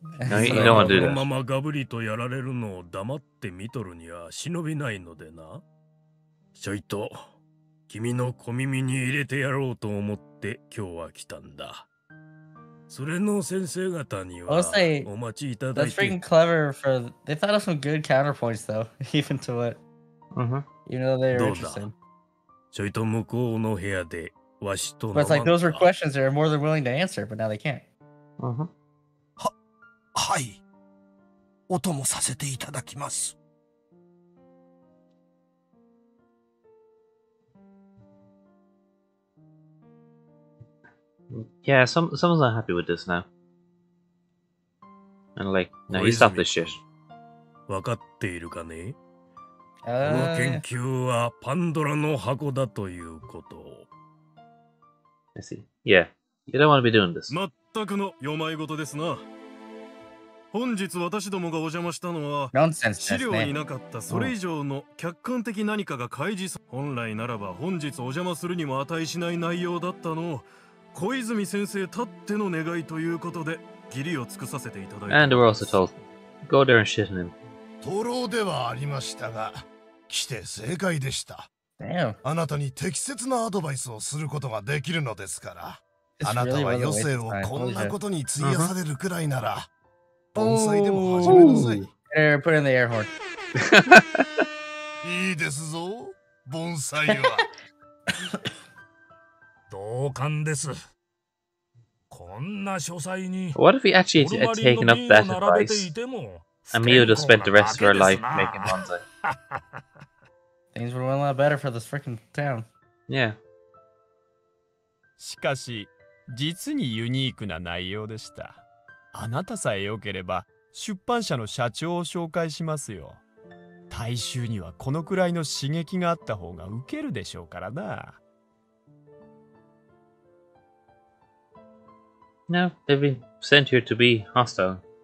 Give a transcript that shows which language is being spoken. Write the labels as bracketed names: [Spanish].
[Japanese] このままガブリとやられるのを黙って見とるには忍びないのでな。ちょいと君の小耳に入れてやろうと思って今日は来たんだ。それの先生方にはお待ちいただいて。 [English] That's freaking clever for they thought of some good counterpoints though, even to what, even though they're interesting. [Japanese] ちょいと向こうの部屋でわしと。 [English] But it's like those were questions they're more than willing to answer, but now they can't. [Japanese] はい、お供させていただきます。 [English] Yeah, someone's not happy with this now. And like, no, he stopped this shit. [Japanese] わかっているかね、この研究はパンドラの箱だということ。 [English] I see. Yeah, you don't want to be doing this. [Japanese] 全くの世まい事ですな。本日私どもがお邪魔したのは、資料になかったそれ以上の客観的何かが開示さ、本来ならば本日お邪魔するにも値しない内容だったの、小泉先生たっての願いということで義理を尽くさせていただいた。 [English] And we're also told go there and shit him. [Japanese] 徒労ではありましたが来て正解でした。 [English] Damn. [Japanese] あなたに適切なアドバイスをすることができるのですから、あなたは余生をこんなことに費やされるくらいなら、 [English] put in the air horn. [Japanese] いいですぞ、盆栽は。同感です。こんな書斎に。 [English] What if he actually had taken up that advice? Amiuda spent the rest of her life making bonsai. Things would have went a lot better for this freaking town. Yeah. [Japanese] しかし、実にユニークな内容でした。あなたさえよければ、出版社の社長を紹介しますよ。大衆にはこのくらいの刺激があった方がウケるでしょうからな。 [English] No, they've been sent here to be hostile.